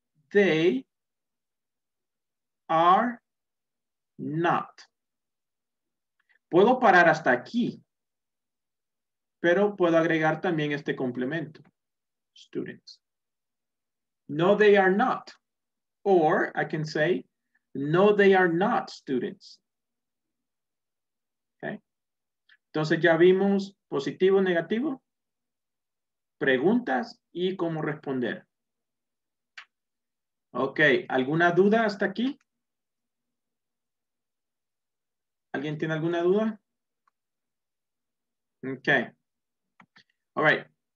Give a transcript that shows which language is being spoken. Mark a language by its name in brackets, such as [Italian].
[English] They are not. [Spanish] Puedo parar hasta aquí, pero puedo agregar también este complemento. [English] Students. No, they are not. Or I can say, no, they are not students. Okay. [Spanish] Entonces ya vimos positivo, negativo, preguntas y cómo responder. Ok, ¿alguna duda hasta aquí? ¿Alguien tiene alguna duda? Ok. [English] All right.